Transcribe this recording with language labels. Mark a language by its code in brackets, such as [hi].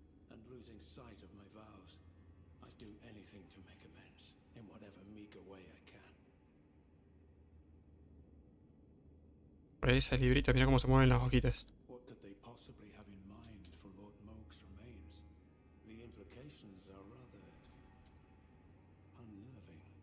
[en] And losing sight of my vows, I'd do anything to make amends in whatever meager way I can. [es] Esa librita, mira cómo se mueven las hojitas. [en] What could they possibly have in mind for Lord Moak's remains? The implications are rather unnerving.